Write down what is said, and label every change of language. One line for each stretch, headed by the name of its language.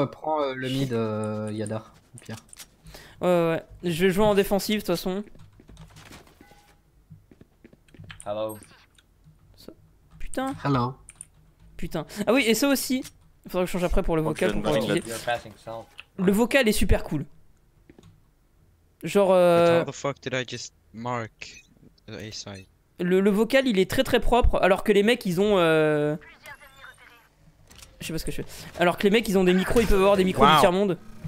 French: de... prends le mid, Yadar, Pierre. Ouais. Je vais jouer en défensive, de toute façon.
English: Hello.
French: Putain.
English: Hello.
French: Putain. Ah oui, et ça aussi. Faudrait que je change après pour le vocal. Pour pouvoir utiliser. Le vocal est super cool. Genre
English: how the fuck did I just mark the A-side?
French: Le vocal il est très très propre alors que les mecs ils ont je sais pas ce que je fais. Alors que les mecs ils ont des micros, ils peuvent avoir des micros wow. Du tiers monde.